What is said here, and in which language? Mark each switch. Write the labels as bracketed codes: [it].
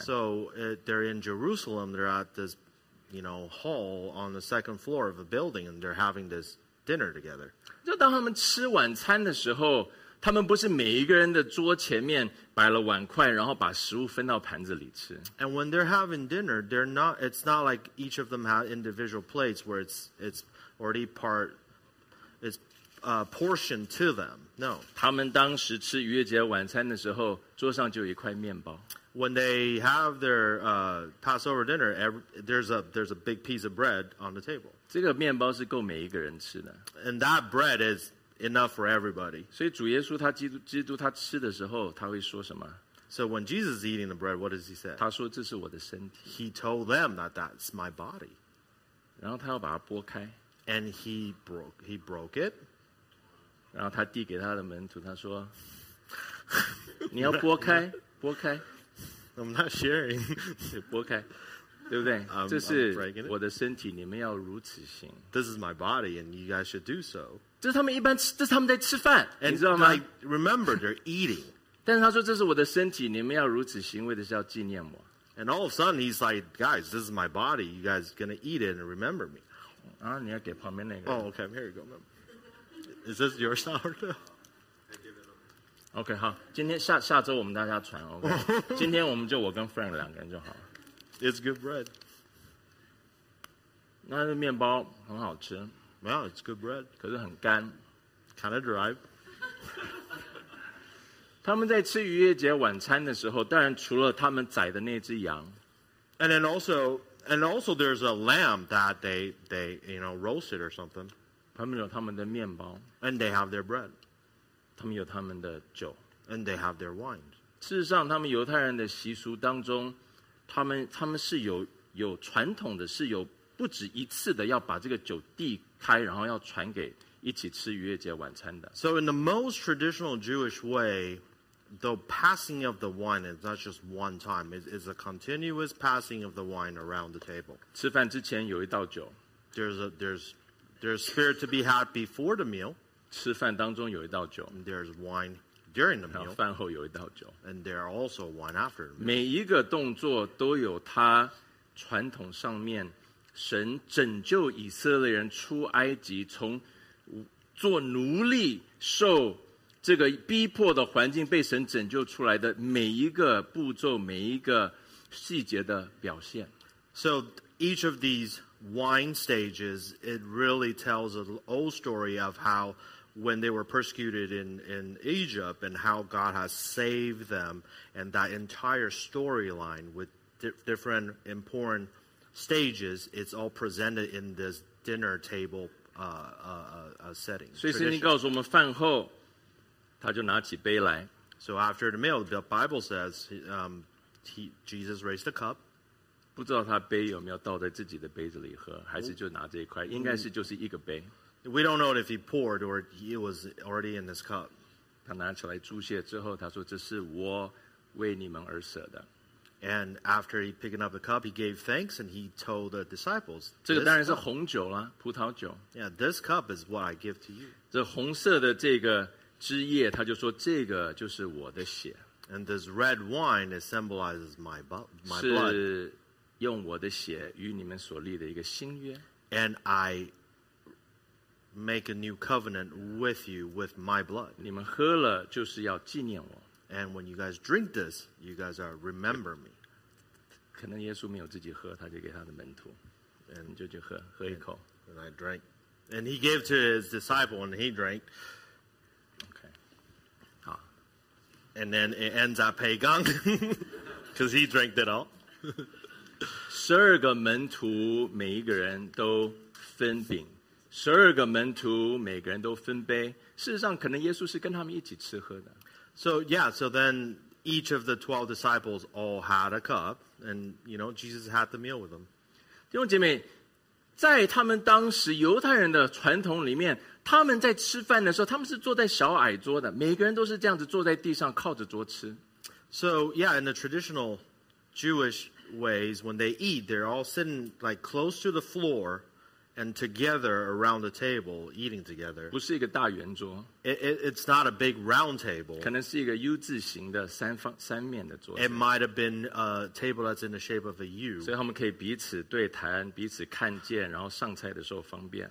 [en] So they're in Jerusalem. They're at this, you know, hall on the second floor of a building, and they're having this dinner together. [zh] 就当他们吃晚餐的时候，他们不是每一个人的桌前面摆了碗筷，然后把食物分到盘子里吃。 [en] And when they're having dinner, they're not. It's not like each of them have individual plates where it's already part. It'sportion to them. No. [zh] 他们当时吃逾越节晚餐的时候，桌上就有一块面包。 [en] When they have their Passover dinner, there's a big piece of bread on the table. [zh] 这个面包是够每一个人吃的。 [en] And that bread is enough for everybody. [zh] 所以主耶稣他基督他吃的时候，他会说什么？ [en] So when Jesus is eating the bread, what does he say? [zh] 他说这是我的身体。 [en] He told them that that's my body. [zh] 然后他要把它拨开。 [en] And he broke it. [zh] 然后他递给他的门徒，他说：“你要拨开，拨开。 [en] ”I'm not sharing， [zh] 拨开，对不对？这是我的身体，你们要如此行。 [en] This is my body, and you guys should do so. [zh] 这是他们一般吃，这是他们在吃饭， [en] and、 [zh] 你知道吗 [en] ？Remember, they're eating. [zh] 但是他说：“这是我的身体，你们要如此行，为的是要纪念我。 [en] ”And all of a sudden, he's like, "Guys, this is my body. You guys are gonna eat it and remember me." [zh] 啊，你要给旁边那个。 [en] Oh, okay. Here you go. Is this your sourdough? [zh] Okay, 好，今天下周我们大家传 ，OK 。今天我们就我跟 Frank 两个人就好了。 [en] It's good bread. [zh] 那个面包很好吃。 [en] Well, it's good bread. [zh] 可是很干 [en] ，kind of dry. [zh] 他们在吃逾越节晚餐的时候，当然除了他们宰的那只羊 [en] ，and also there's a lamb that they you know roasted or something. [zh] 他们有他们的面包 [en] ，and they have their bread. [zh] 他们有他们的酒 [en] ，and they have their wine. [zh] 事实上，他们犹太人的习俗当中，他们是有传统的，是有不止一次的要把这个酒递开，然后要传给一起吃逾越节晚餐的。 [en] So in the most traditional Jewish way, the passing of the wine is not just one time; it's a continuous passing of the wine around the table. [zh] 吃饭之前有一道酒 [en] There's spirit to be had before the meal. [zh] 吃饭当中有一道酒。 [en] There's wine during the meal. [zh] 饭后有一道酒。 [en] And there's also wine after the meal. [zh] 每一个动作都有它传统上面神拯救以色列人出埃及从做奴隶受这个逼迫的环境被神拯救出来的每一个步骤每一个细节的表现。 [en] So each of these... wine stages, it really tells an old story of how when they were persecuted in Egypt and how God has saved them and that entire storyline with different important stages, it's all presented in this dinner table setting. [zh] 所以圣经告诉我们饭后他就拿起杯来。 [en] So after the meal, the Bible says Jesus raised a cup. [zh] 不知道他杯有没有倒在自己的杯子里喝，还是就拿这一块，应该是就是一个杯。 [en] We don't know if he poured or it was already in this cup. [zh] 他拿起来祝谢之后，他说：“这是我为你们而舍的。” [en] And after he picking up the cup, he gave thanks and he told the disciples, [zh] 这个当然是红酒啦，葡萄酒。 [en] Yeah, this cup is what I give to you. [zh] 这红色的这个汁液，他就说：“这个就是我的血。” [en] And this red wine symbolizes my blood. [zh] 是用我的血与你们所立的一个新约 [en] ，and I make a new covenant with you with my blood。 [zh] 你们喝了就是要纪念我 [en] ，and when you guys drink this, you guys are remember me。 [zh] 可能耶稣没有自己喝，他就给他的门徒 [en] ，and [zh] 就喝，喝一口 [en] ，and I drank, and he gave to his disciple, and he drank。 Okay, [zh] 好 [en] ，and then it ends at Pagong, because he drank it all 。 [zh] 十二个门徒每一个人都分饼十二个门徒每个人都分杯事实上可能耶稣是跟他们一起吃喝的 [en] So yeah, so then each of the 12 disciples all had a cup and you know, Jesus had the meal with them [zh] 弟兄姐妹在他们当时犹太人的传统里面他们在吃饭的时候他们是坐在小矮桌的每个人都是这样子坐在地上靠着桌吃 [en] So yeah, in the traditional Jewish ways when they eat they're all sitting like close to the floor and together around the table eating together. [zh] 不是一个大圆桌, [en] it's not a big round table. [zh] 可能是一个U字形的三方三面的桌子. [en] It might have been a table that's in the shape of a U. [zh] 所以他们可以彼此对谈，彼此看见，然后上菜的时候方便.